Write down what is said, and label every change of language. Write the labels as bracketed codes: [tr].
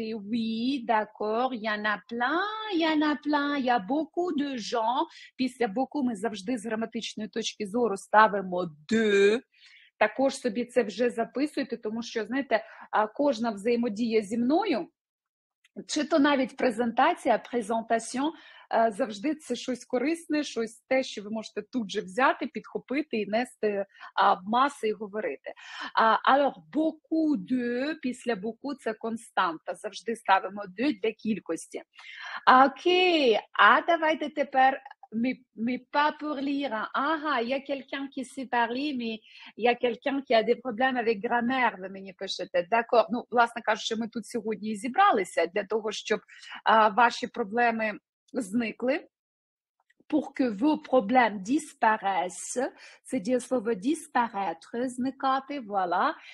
[fr] Oui, d'accord, y en a plein, y a beaucoup de gens. [uk] Після beaucoup ми завжди з граматичної точки зору ставимо de. Також собі це вже записуйте, тому що, знаєте, кожна взаємодія зі мною, чи то навіть презентація, презентаціон, завжди це щось корисне, щось те, що ви можете тут же взяти, підхопити і нести в маси і говорити. [fr] Alors, beaucoup de, [uk] після beaucoup це константа, завжди ставимо de для кількості. Окей, а давайте тепер [fr] mais pas pour lire. Ah, il y a quelqu'un qui sait parler, mais il y a quelqu'un qui a des problèmes avec grammaire, [uk] ви мені пишете. [fr] D'accord. [uk] Ну, власне кажучи, ми тут сьогодні зібралися для того, щоб ваші проблеми зникли. [fr] Pour que vos problèmes disparaissent, c'est dire слово disparaître, [uk] зникати, [fr] voilà.